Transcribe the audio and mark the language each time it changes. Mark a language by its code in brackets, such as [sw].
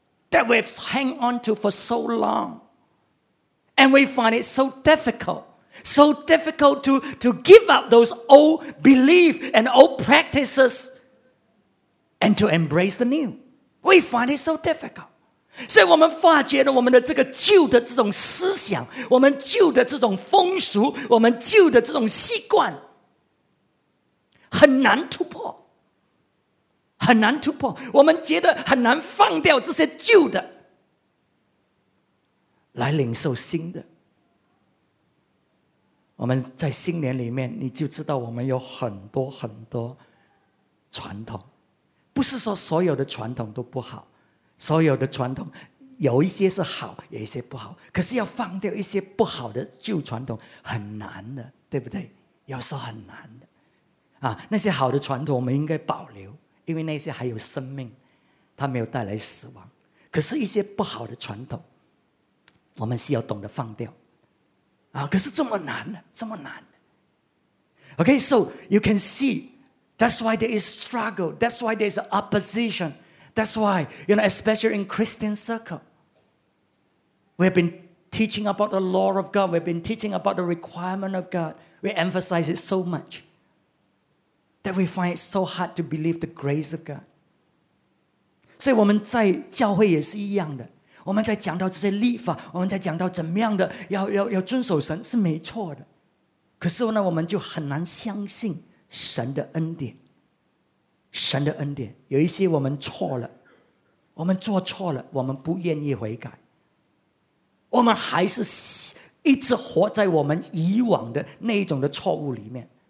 [en] That we've hang on to for so long. And we find it so difficult to give up those old beliefs and old practices and to embrace the new. We find it so difficult. [zh] 所以我们发觉了我们的这个旧的这种思想，我们旧的这种风俗，我们旧的这种习惯，很难突破，我们觉得很难放掉这些旧的，来领受新的。我们在新年里面，你就知道我们有很多很多传统，不是说所有的传统都不好，所有的传统有一些是好，有一些不好，可是要放掉一些不好的旧传统很难的，对不对？有时候很难的，啊，那些好的传统我们应该保留，因为那些还有生命，它没有带来死亡。可是一些不好的传统，我们是要懂得放掉啊。可是这么难。 [en] Okay, so you can see that's why there is struggle, that's why there is opposition, that's why, you know, especially in Christian circle, we've been teaching about the law of God, we've been teaching about the requirement of God, we emphasize it so muchThat we find it so hard to believe the grace of God. [zh] 所以我们在教会也是一样的，我们在讲到这些律法，我们在讲到怎么样的要遵守神是没错的，可是呢，我们就很难相信神的恩典。神的恩典有一些我们错了，我们做错了，我们不愿意悔改，我们还是一直活在我们以往的那一种的错误里面。